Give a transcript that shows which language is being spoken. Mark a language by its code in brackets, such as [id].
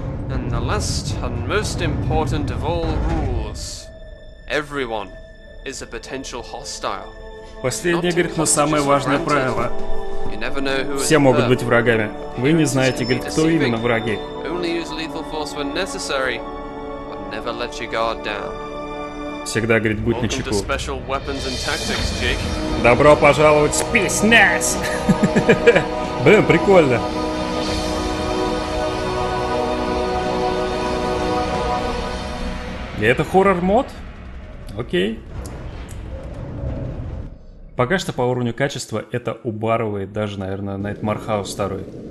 [en] And the last and most important of all rules. Everyone is a potential hostile. [ru] Последнее, говорит, но самое важное правило. Все могут быть врагами. Вы не знаете, говорит, кто именно враги. [en] Only use lethal force when necessary, but never let your guard down. [ru] Всегда, говорит, будь начеку. [en] Welcome to special weapons and tactics, Jake. [ru] Добро пожаловать в спецназ! Блин, прикольно. И это хоррор-мод? Окей. Пока что по уровню качества это убарывает даже, наверное, Nightmare House второй.